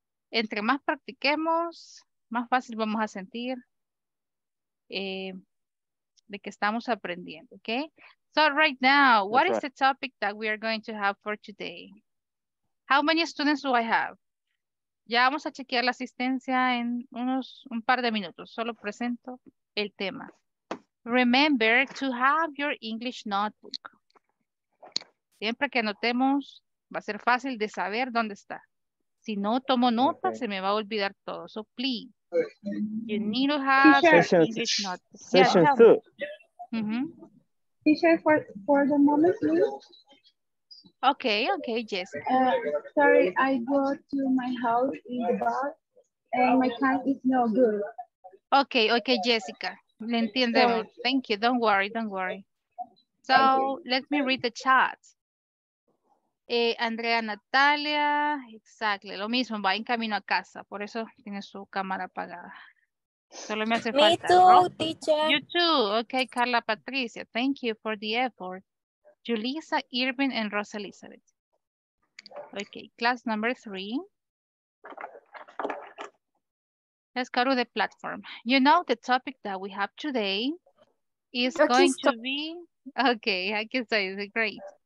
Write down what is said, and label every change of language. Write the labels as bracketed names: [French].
[Spanish] Entre más practiquemos, más fácil vamos a sentir de que estamos aprendiendo, okay? [English] So right now, what is the topic that we are going to have for today? How many students do I have? [Spanish] Ya vamos a chequear la asistencia en un par de minutos. Solo presento el tema. [English] Remember to have your English notebook. [Spanish] Siempre que anotemos, va a ser fácil de saber dónde está. Si no tomo nota, okay, se me va a olvidar todo. [English] So, please, you need to have session, English notes. Session yeah, two. Teacher, for the moment, please. Okay, okay, yes. Sorry, I go to my house in the bar and my car is no good. Okay, okay, Jessica. [Spanish] Le entiendo. [English] Thank you. Don't worry, don't worry. So, let me read the chat. [Spanish] Andrea Natalia, exacto, lo mismo, va en camino a casa, por eso tiene su cámara apagada. Solo me hace me falta. [English] Me too, ¿no? Teacher. You too, okay, Carla Patricia, thank you for the effort. Julissa, Irving, and Rosa Elizabeth. Okay, class number three. Let's go to the platform. You know, the topic that we have today is [Spanish] aquí [English] going to be, okay, [Spanish] aquí estoy, [English] great.